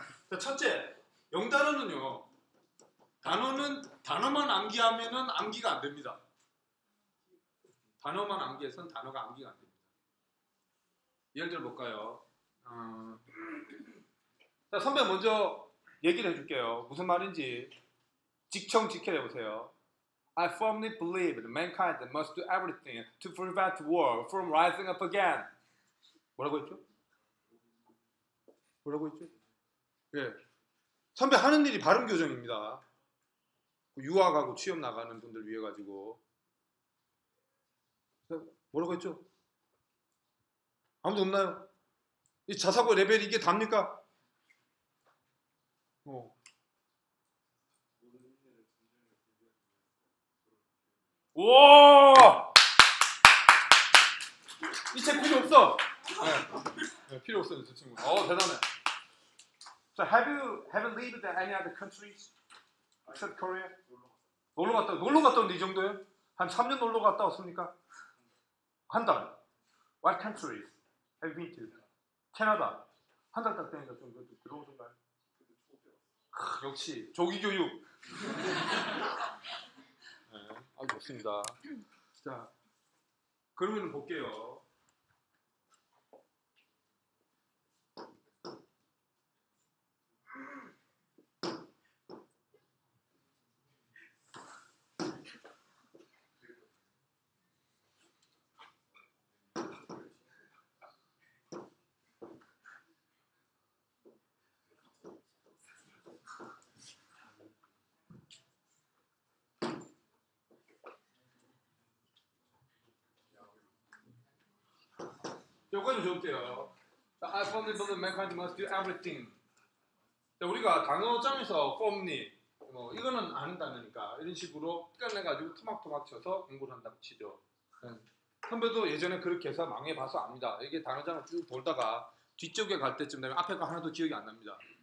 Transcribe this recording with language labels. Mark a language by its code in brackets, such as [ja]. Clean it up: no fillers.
[ko] 자, 첫째, 영단어는요, 단어는 단어만 암기하면은 암기가 안 됩니다. 단어만 암기해서는 단어가 암기가 안 됩니다. 예를 들어 볼까요? 자, 선배 먼저 얘기를 해줄게요. 무슨 말인지 직청 직해 보세요. [en] I firmly believe that mankind must do everything to prevent war from rising up again. [ko] 뭐라고 했죠? 예. 선배 하는 일이 발음 교정입니다. 유학하고 취업 나가는 분들 위해 가지고. 뭐라고 했죠? 아무도 없나요? 이 자사고 레벨 이게 답니까? 와! 이 책 필요 없어. 네. 네, 필요 없어요, 저 친구. 어, 대단해. [en] So have you lived in any other countries except Korea? [ko] 놀러 갔다 온 이 정도예요? 한 3년 놀러 갔다 왔습니까? 한 달. [en] What countries have you been to? [ko] 캐나다. 한 달 딱 되니까 좀 그래도 들어오던가요? 역시 조기 교육. 네, 아주 좋습니다. 자, 그러면 볼게요. 여기까지 좋대요. [en] I firmly believe mankind must do everything. [ko] 우리가 단어장에서 펌니 뭐 이거는 안 한다니까 이런 식으로 끝내 가지고 토막토막 쳐서 공부를 한다고 치죠. 선배도 예전에 그렇게 해서 망해봐서 압니다. 이게 단어장을 쭉 보다가 뒤쪽에 갈 때쯤 되면 앞에 거 하나도 기억이 안 납니다.